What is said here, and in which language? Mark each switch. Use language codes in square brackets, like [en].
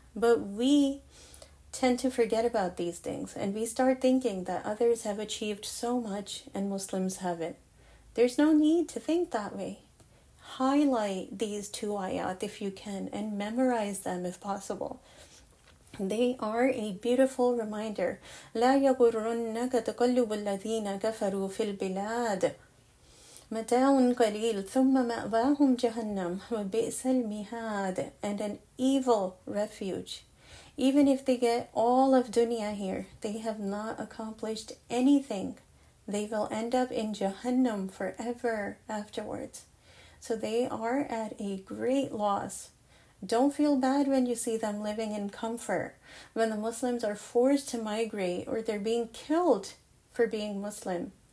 [en] But we tend to forget about these things, and we start thinking that others have achieved so much and Muslims haven't. There's no need to think that way. Highlight these two ayat if you can, and memorize them if possible. They are a beautiful reminder. [ar] لا يغرنك تقلب الذين كفروا في البلاد متاع قليل ثم مأواهم جهنم وبئس المهاد, [en] and an evil refuge. Even if they get all of dunya here, they have not accomplished anything. They will end up in Jahannam forever afterwards. So they are at a great loss. Don't feel bad when you see them living in comfort, when the Muslims are forced to migrate or they're being killed for being Muslim.